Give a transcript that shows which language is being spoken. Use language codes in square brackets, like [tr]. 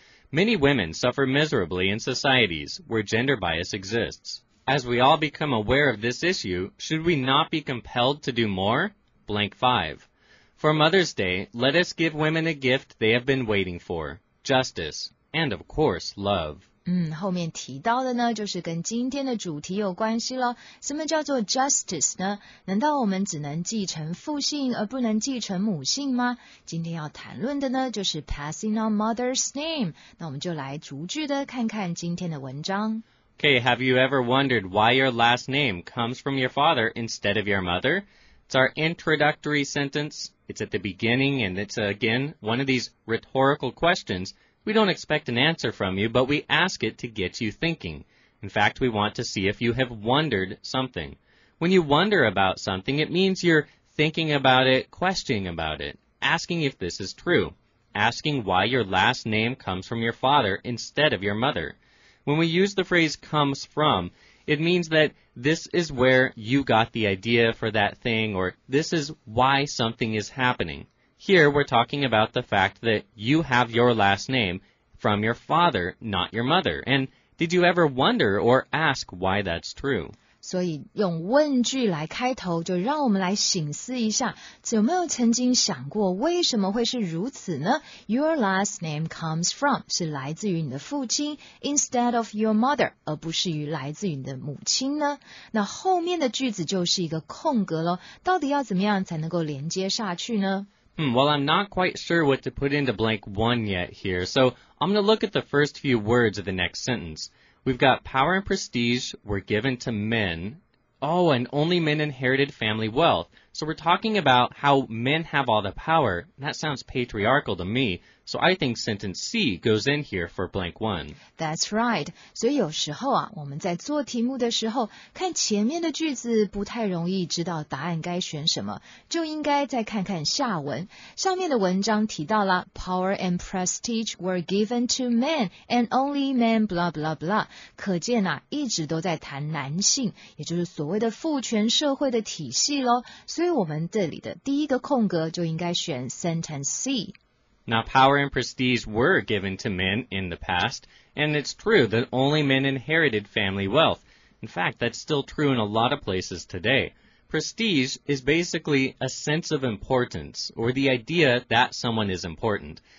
[en] Many women suffer miserably in societies where gender bias exists. As we all become aware of this issue, should we not be compelled to do more? Blank 5. For Mother's Day, let us give women a gift they have been waiting for, justice, and of course, love. [zh] 后面提到的呢就是跟今天的主题有关系了。什么叫做 justice 呢？难道我们只能继承父姓而不能继承母姓吗？今天要谈论的呢就是 [en] passing on mother's name。 [zh] 那我们就来逐句的看看今天的文章。 [en] Okay, have you ever wondered why your last name comes from your father instead of your mother? It's our introductory sentence. It's at the beginning, and it's, again, one of these rhetorical questions. We don't expect an answer from you, but we ask it to get you thinking. In fact, we want to see if you have wondered something. When you wonder about something, it means you're thinking about it, questioning about it, asking if this is true, asking why your last name comes from your father instead of your mother. When we use the phrase comes from, it means that this is where you got the idea for that thing, or this is why something is happening. Here, we're talking about the fact that you have your last name from your father, not your mother. And did you ever wonder or ask why that's true? [zh] 所以用问句来开头，就让我们来醒思一下，有没有曾经想过为什么会是如此呢 ？ [en] Your last name comes from [zh] 是来自于你的父亲 ， [en] instead of your mother [zh] 而不是于来自于你的母亲呢？那后面的句子就是一个空格咯，到底要怎么样才能够连接下去呢？ [en] Well, I'm not quite sure what to put into blank one yet here, so I'm going to look at the first few words of the next sentence. We've got power and prestige were given to men. Oh, and only men inherited family wealth. So we're talking about how men have all the power. That sounds patriarchal to me. So I think sentence C goes in here for blank one. That's right. [zh] 所以有时候啊，我们在做题目的时候，看前面的句子不太容易知道答案该选什么，就应该再看看下文。上面的文章提到了 [en] power and prestige were given to men and only men blah blah [zh] blah. 可见啊，一直都在谈男性，也就是所谓的父权社会的体系咯。所以我们这里的第一个空格就应该选 sentence C。 [en] Now, power and prestige were given to men in the past, and it's true that only men inherited family wealth. In fact, that's still true in a lot of places today. Prestige is basically a sense of importance, or the idea that someone is important.